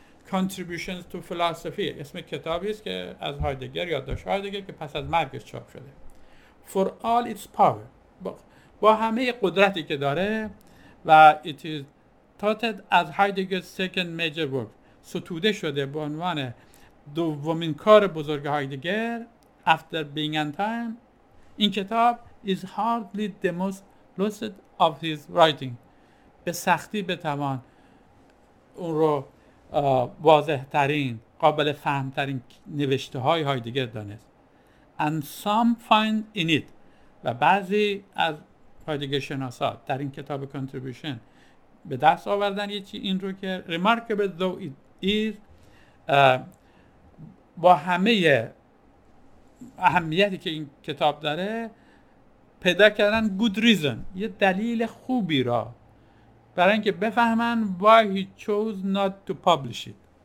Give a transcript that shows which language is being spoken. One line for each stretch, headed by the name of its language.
English: contributions to philosophy
Persian: اسم کتابی است که از هایدگر، یادداشت هایدگر که پس از مرگش چاپ شده،
English: for all its power،
Persian: با همه قدرتی که داره، و
English: it is touted as Heidegger's second major work،
Persian: ستوده شده به عنوان دومین کار بزرگ هایدگر After Being and Time. این کتاب
English: is hardly the most lucid of his writing.
Persian: به سختی بتوان اون رو واضح ترین قابل فهم ترین نوشته های هایدگر دانست.
English: And some find in it.
Persian: و بعضی از هایدگر شناسا در این کتاب contribution به دست آوردن یه چی این رو که
English: remarkable though it is,
Persian: با همه اهمیتی که این کتاب داره پیدا کردن
English: good reason،
Persian: یه دلیل خوبی را برای اینکه بفهمن
English: why he chose not to publish it.